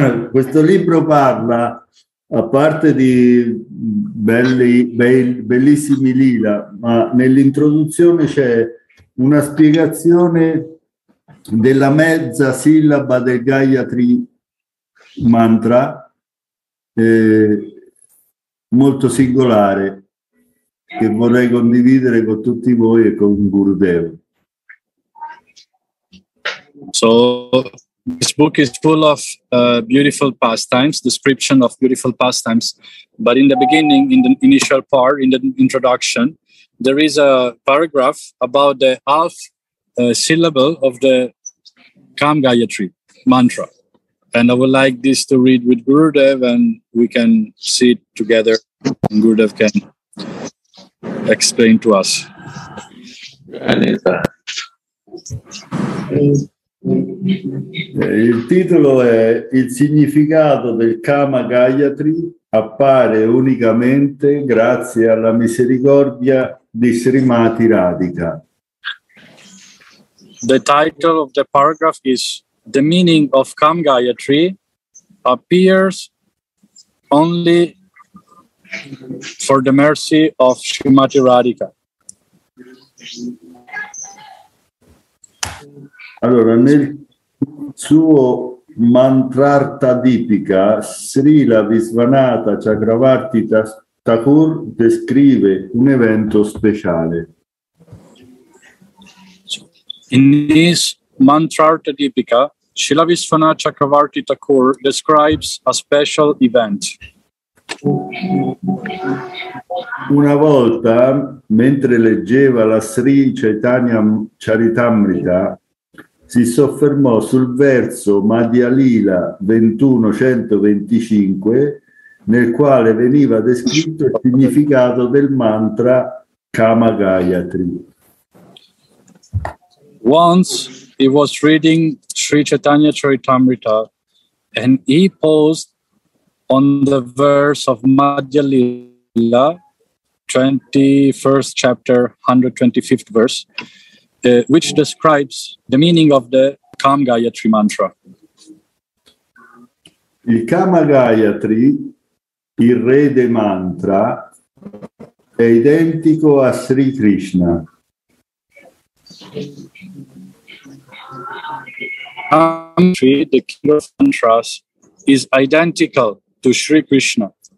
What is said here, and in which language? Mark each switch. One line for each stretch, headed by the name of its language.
Italian: Questo libro parla, a parte di bellissimi lila, ma nell'introduzione c'è una spiegazione della mezza sillaba del Gayatri mantra, molto singolare, che vorrei condividere con tutti voi e con Gurudev.
English: So this book is full of beautiful pastimes, description of beautiful pastimes, but in the beginning, in the initial part, in the introduction, there is a paragraph about the half syllable of the Kam Gayatri mantra, and I would like this to read with Gurudev, and we can sit together and Gurudev can explain to us.
Italian: Il titolo è Il significato del Kama Gayatri appare unicamente grazie alla misericordia di Srimati Radhika.
English: The title of the paragraph is The meaning of Kama Gayatri appears only for the mercy of Srimati Radhika.
Italian: Allora, nel suo mantrarta tipica, Srila Visvanatha Chakravarti Thakur descrive un evento speciale.
English: In his mantrarta tipica, Srila Visvanatha Chakravarti Thakur describes a special event.
Italian: Una volta, mentre leggeva la Sri Chaitanya Charitamrita, si soffermò sul verso Madhya Lila 21.125, nel quale veniva descritto il significato del mantra Kama Gayatri.
English: Once he was reading Sri Chaitanya Charitamrita and he paused on the verse of Madhya Lila, 21st chapter, 125th verse, which describes the meaning of the Kama Gayatri mantra.
Italian: Il Kama Gayatri, il re dei mantra, è identico a Sri Krishna.
English: Kama Gayatri, the king of mantras, is identical to Sri Krishna.